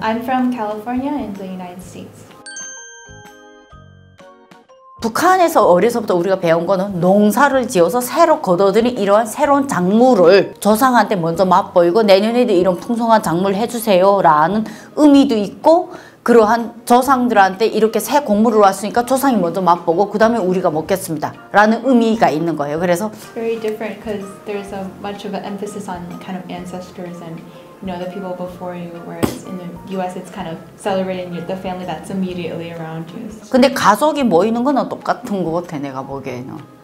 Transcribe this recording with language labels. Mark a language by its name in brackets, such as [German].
[English] I'm from California in the United States. [Korean] 북한에서 어려서부터 우리가 배운 거는 농사를 지어서 새로 거둬들인 이러한 새로운 작물을 조상한테 먼저 맛보이고 내년에도 이런 풍성한 작물 해주세요 라는 의미도 있고 그러한 조상들한테 이렇게 새 곡물을 왔으니까 조상이 먼저 맛보고 그 다음에 우리가 먹겠습니다 라는 의미가 있는 거예요. 그래서 [English] It's very different because there's a much of an emphasis on kind of ancestors and you know the people before you whereas in the US it's kind of celebrating the family that's immediately around you. [Korean] 근데 가족이 모이는 거는 똑같은 것 같아 내가 보기에는.